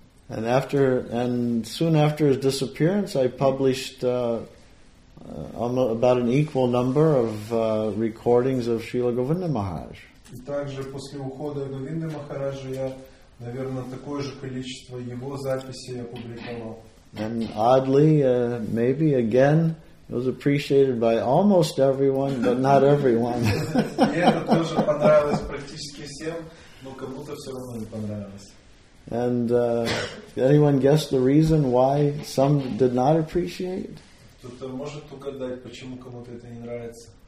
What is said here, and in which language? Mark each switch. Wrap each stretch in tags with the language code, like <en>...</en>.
<en>And soon after his disappearance, I published about an equal number of recordings of Srila Govinda Maharaj.</en> <ru>И также после ухода Говинды Махараджа я, наверное, такое же количество его записей опубликовал.</ru> <en>And oddly, maybe again, it was appreciated by almost everyone, but not everyone.</en> <ru>И это тоже понравилось практически всем, но кому-то все равно не понравилось.</ru> <en>And anyone guess the reason why some did not appreciate?</en> <ru>Кто-то может угадать, почему кому-то это не нравится?</ru>